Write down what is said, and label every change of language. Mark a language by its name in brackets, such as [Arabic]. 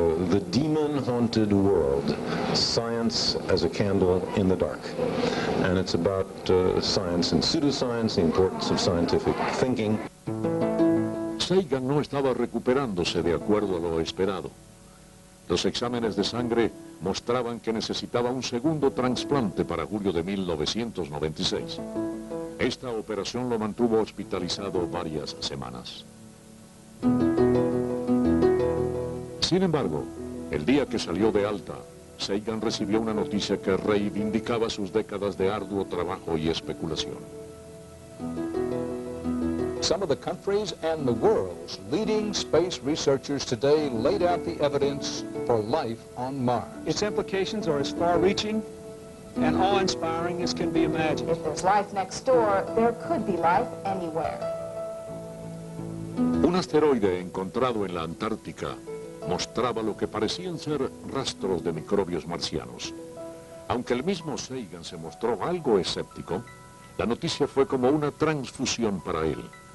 [English] The Demon-Haunted World, Science as a Candle in the Dark. And it's about science and pseudoscience, the importance of scientific thinking. [Spanish] Sagan no estaba recuperándose de acuerdo a lo esperado. Los exámenes de sangre mostraban que necesitaba un segundo trasplante para julio de 1996. Esta operación lo mantuvo hospitalizado varias semanas. Sin embargo, el día que salió de alta, Sagan recibió una noticia que reivindicaba sus décadas de arduo trabajo y especulación. [English] Some of the countries and the world's leading space researchers today laid out the evidence for life on Mars. Its implications are as far-reaching and awe-inspiring as can be imagined. If there's life next door, there could be life anywhere. [Spanish] Un asteroide encontrado en la Antártica mostraba lo que parecían ser rastros de microbios marcianos. Aunque el mismo Sagan se mostró algo escéptico, la noticia fue como una transfusión para él.